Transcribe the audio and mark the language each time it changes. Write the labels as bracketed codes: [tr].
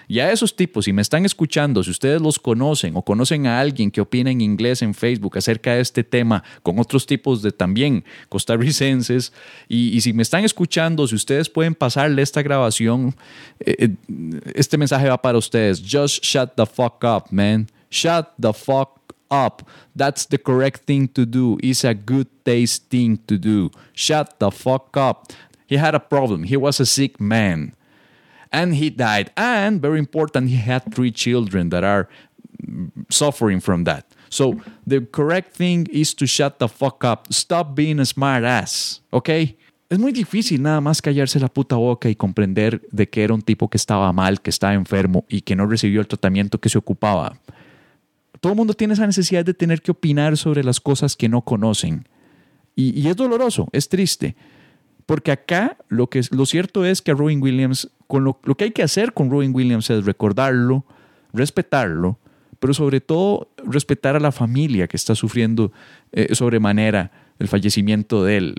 [es] Y a esos tipos, si me están escuchando, si ustedes los conocen o conocen a alguien que opina en inglés en Facebook acerca de este tema con otros tipos de también costarricenses, y si me están escuchando, si ustedes pueden pasarle esta grabación, este mensaje va para ustedes. [en] Just shut the fuck up, man. Shut the fuck up. That's the correct thing to do. It's a good taste thing to do. Shut the fuck up. He had a problem. He was a sick man. And he died. And very important, he had 3 children that are suffering from that. So the correct thing is to shut the fuck up. Stop being a smart ass. Okay? [es] Es muy difícil nada más callarse la puta boca y comprender de que era un tipo que estaba mal, que estaba enfermo y que no recibió el tratamiento que se ocupaba. Todo el mundo tiene esa necesidad de tener que opinar sobre las cosas que no conocen. Y es doloroso, es triste. Porque acá lo cierto es que a Robin Williams, lo que hay que hacer con Robin Williams es recordarlo, respetarlo, pero sobre todo respetar a la familia que está sufriendo sobremanera el fallecimiento de él.